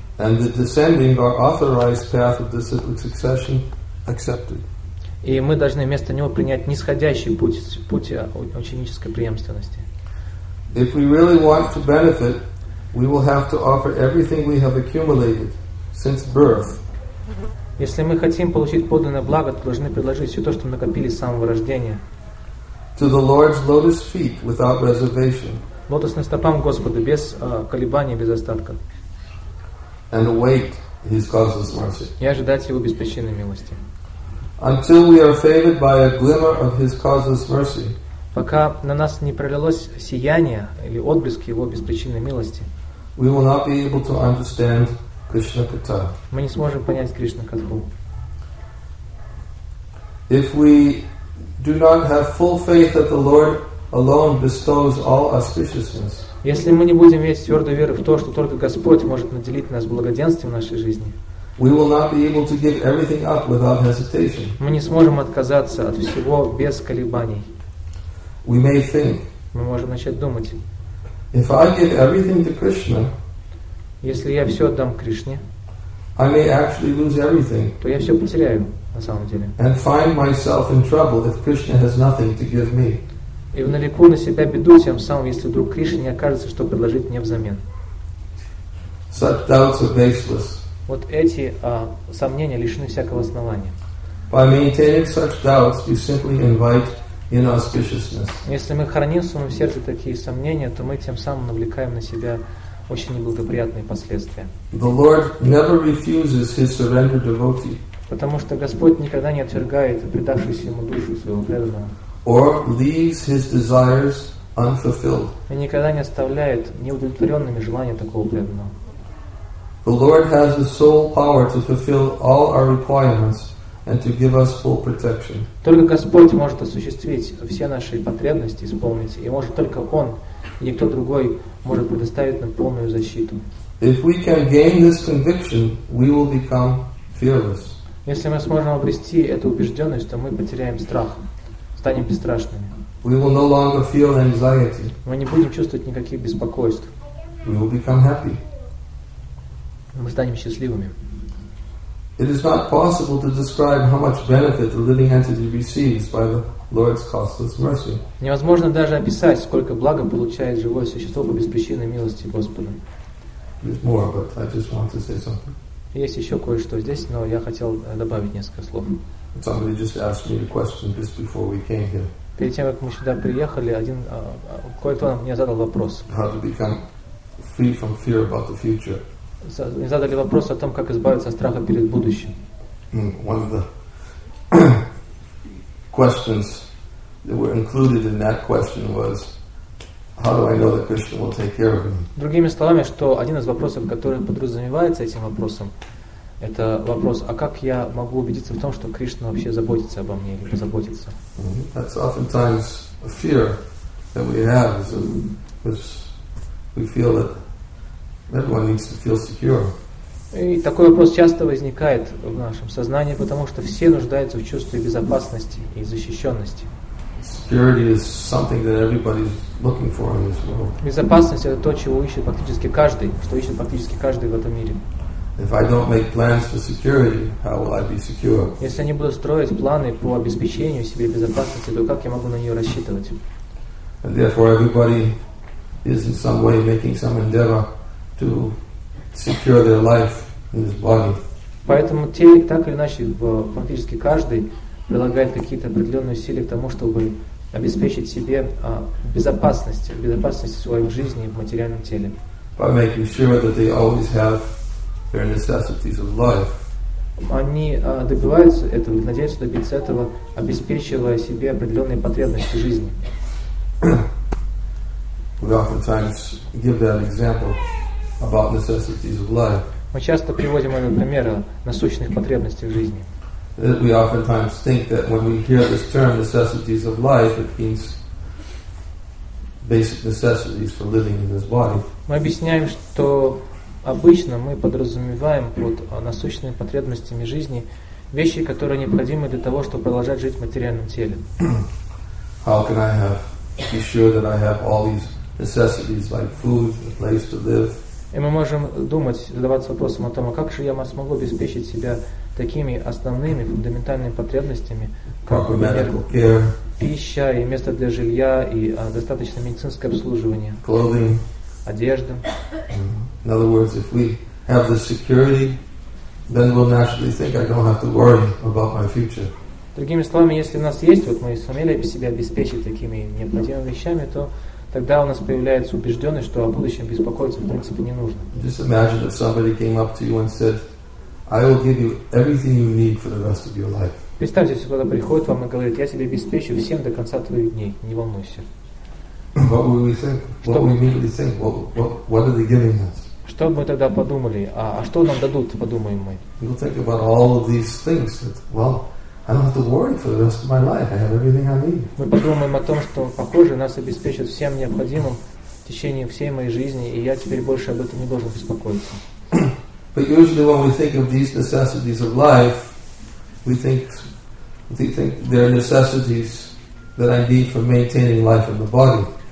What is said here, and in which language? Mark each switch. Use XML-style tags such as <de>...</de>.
<en>And the descending or authorized path of the cyclic succession accepted.</en> <ru>И мы должны вместо него принять нисходящий путь ученической преемственности.</ru> <en>If we really want to benefit, we will have to offer everything we have accumulated since birth.</en> <ru>Если мы хотим получить подлинное благо, то должны предложить все то, что мы накопили с самого рождения.</ru> <en>To the Lord's lotus feet without reservation.</en> <ru>Лотосным стопам Господа без колебаний, без остатка.</ru> <en>And await His causeless mercy.</en> <ru>И ожидать Его беспричинной милости.</ru> <en>Until we are favored by a glimmer of His causeless mercy.</en> <ru>Пока на нас не пролилось сияние или отблеск Его беспричинной милости.</ru> <en>We will not be able to understand Krishna Katha.</en> <ru>Мы не сможем понять Кришна Катху.</ru> <en>If we do not have full faith that the Lord alone bestows all auspiciousness.</en> <ru>Если мы не будем иметь твердой веры в то, что только Господь может наделить нас благоденствием в нашей жизни.</ru> <en>We will not be able to give everything up without hesitation.</en> <ru>Мы не сможем отказаться от всего без колебаний.</ru> <en>We may think.</en> <ru>Мы можем начать думать.</ru> <en>If I give everything to Krishna,</en> <ru>если я все отдам Кришне,</ru> <en>I may actually lose everything.</en> <ru>То я все потеряю на самом деле.</ru> <en>And find myself in trouble if Krishna has nothing to give me.</en> <ru>И навлеку на себя беду тем самым, если вдруг Кришне не окажется, что предложить мне взамен.</ru> <en>Such doubts are baseless.</en> <ru>вот эти сомнения лишены всякого основания.</ru> <en>By maintaining such doubts, you simply invite inauspiciousness.</en> <ru>Если мы храним в своем сердце такие сомнения, то мы тем самым навлекаем на себя очень неблагоприятные последствия.</ru> <en>The Lord never refuses his surrendered devotee.</en> <ru>Потому что Господь никогда не отвергает предавшуюся ему душу своего преданного.</ru> <en>Or leaves his desires unfulfilled.</en> <ru>И никогда не оставляет неудовлетворенными желания такого преданного.</ru> <en>The Lord has the sole power to fulfill all our requirements and to give us full protection.</en> <ru>Только Господь может осуществить все наши потребности, исполнить, и может только Он, и никто другой может предоставить нам полную защиту.</ru> <en>If we can gain this conviction, we will become fearless.</en> <ru>Если мы сможем обрести эту убежденность, то мы потеряем страх, станем бесстрашными.</ru> <en>We will no longer feel anxiety.</en> <ru>Мы не будем чувствовать никаких беспокойств.</ru> <en>We will become happy.</en> <ru>Мы станем счастливыми.</ru> <en>It is not possible to describe how much benefit the living entity receives by the Lord's causeless mercy.</en> <ru>Невозможно даже описать, сколько блага получает живое существо по беспричинной милости Господа.</ru> <en>There's more, but I just want to say something.</en> <ru>Есть еще кое-что здесь, но я хотел добавить несколько слов.</ru> <en>Somebody just asked me a question just before we came here.</en> <ru>Перед тем, как мы сюда приехали, кое-кто мне задал вопрос.</ru> <en>How to become free from fear about the future.</en> <ru>Мне задали вопрос о том, как избавиться от страха перед будущим.</ru> <en>One of the questions that were included in that question was, how do I know that Krishna will take care of me?</en> <ru>Другими словами, что один из вопросов, который подразумевается этим вопросом, это вопрос, а как я могу убедиться в том, что Кришна вообще заботится обо мне или позаботится?</ru> <en>That's oftentimes a fear that we have, because we feel that everyone needs to feel secure.</en> <ru>И такой вопрос часто возникает в нашем сознании, потому что все нуждаются в чувстве безопасности и защищенности.</ru> <en>Security is something that everybody's looking for in this world.</en> <ru>Безопасность — это то, чего ищет практически каждый, что ищет практически каждый в этом мире.</ru> <en>If I don't make plans for security, how will I be secure?</en> <ru>Если я не буду строить планы по обеспечению себе безопасности, то как я могу на нее рассчитывать?</ru> <en>And therefore, everybody is in some way making some endeavor to secure their life in this body.</en> <ru>Поэтому так или иначе, практически каждый прилагает какие-то определенные усилия к тому, чтобы обеспечить себе безопасность своей жизни в материальном теле.</ru> <en>By making sure that they always have their necessities of life.</en> <ru>Они добиваются этого, надеются добиться этого, обеспечивая себе определенные потребности жизни.</ru> <en>We oftentimes give that example about necessities of life.</en> <ru>Мы часто приводим этот пример о насущных потребностях в жизни.</ru> <en>We oftentimes think that when we hear this term necessities of life, it means basic necessities for living in this body.</en> <ru>Мы объясняем, что обычно мы подразумеваем под насущными потребностями жизни вещи, которые необходимы для того, чтобы продолжать жить в материальном теле.</ru> <en>How can I have, be sure that I have all these necessities like food, a place to live?</en> <ru>И мы можем думать, задаваться вопросом о том, а как же я смогу обеспечить себя такими основными, фундаментальными потребностями, как, например, пища и место для жилья, и достаточное медицинское обслуживание,</ru> <en>clothing,</en> <ru>одежда.</ru> <en>In other words, if we have the security, then we'll naturally think I don't have to worry about my future.</en> <ru>Другими словами, если у нас есть, мы сумели себя обеспечить такими необходимыми вещами, то тогда у нас появляется убежденность, что о будущем беспокоиться в принципе не нужно.</ru> <en>Just imagine if somebody came up to you and said, I will give you everything you need for the rest of your life.</en> <ru>Представьте, если кто-то приходит вам и говорит, я тебе обеспечу всем до конца твоих дней, не волнуйся.</ru> <en>What would we think? What would we immediately think? What are they giving us?</en> <ru>Что бы мы тогда подумали? А что нам дадут, подумаем мы?</ru> <en>We'll think about all of these things. That, well, I don't have to worry for the rest of my life. I have everything I need.</en> <ru>Мы подумаем о том, что, похоже, нас обеспечат всем необходимым в течение всей моей жизни, и я теперь больше об этом не должен беспокоиться.</ru> <en>But usually when we think of these necessities of life, we think they're necessities that I need for maintaining life in the body.</en>